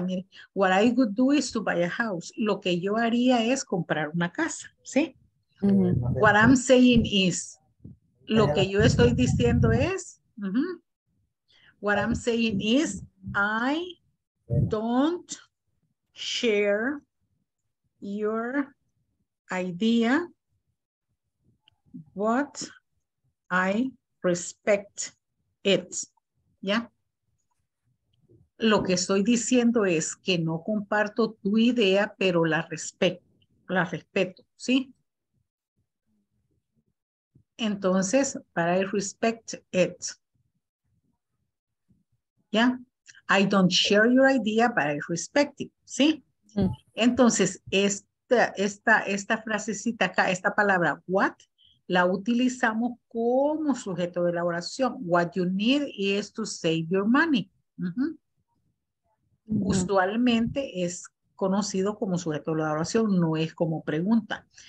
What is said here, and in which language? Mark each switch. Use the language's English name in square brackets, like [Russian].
[Spanish] Mire, [English] what I would do is to buy a house. [Spanish] Lo que yo haría es comprar una casa, ¿sí? Mm-hmm. [English] What I'm saying is, [Spanish] lo que yo estoy diciendo es, [English] what I'm saying is, I don't share your idea, but I respect it. [Spanish] ¿Ya? Lo que estoy diciendo es que no comparto tu idea, pero la respeto, ¿sí? Entonces, [English] but I respect it. Yeah, I don't share your idea, but I respect it, [Spanish] ¿sí? Entonces, esta frasecita acá, esta palabra, what, la utilizamos como sujeto de la oración. [English] What you need is to save your money. [Spanish] Usualmente es conocido como sujeto de la oración, no es como pregunta.